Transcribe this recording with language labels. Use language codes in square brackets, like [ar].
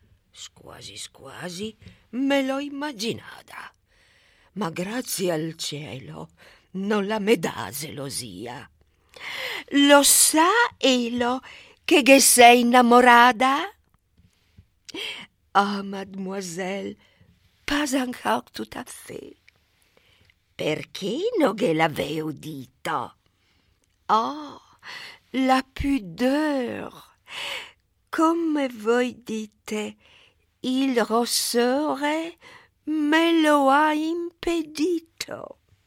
[it] Squasi, squasi, me l'ho immaginata. Ma grazie al cielo, non la me dà gelosia. Lo sa, Elo, che sei innamorata? [fr] Ah, oh, mademoiselle, pas encore tout à fait. [it] Perché non ghe l'avevo dito? [fr] Oh, la pudeur. [it] Come voi dite, il rossore me lo ha impedito.